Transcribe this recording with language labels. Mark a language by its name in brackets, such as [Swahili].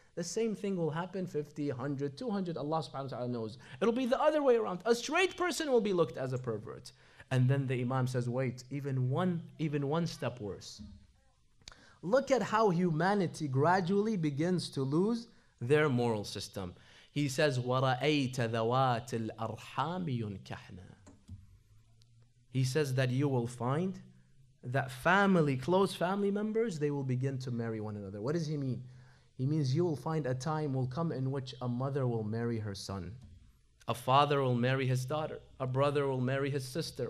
[English] The same thing will happen 50, 100, 200, Allah subhanahu wa ta'ala knows. It'll be the other way around. A straight person will be looked as a pervert. And then the Imam says, wait, even one step worse. Look at how humanity gradually begins to lose their moral system. [Arabic] He says, وَرَأَيْتَ ذَوَاتِ الْأَرْحَامِ يُنْكَحْنَا. [English] He says that you will find that family, close family members, they will begin to marry one another. What does he mean? He means you will find a time will come in which a mother will marry her son. A father will marry his daughter. A brother will marry his sister.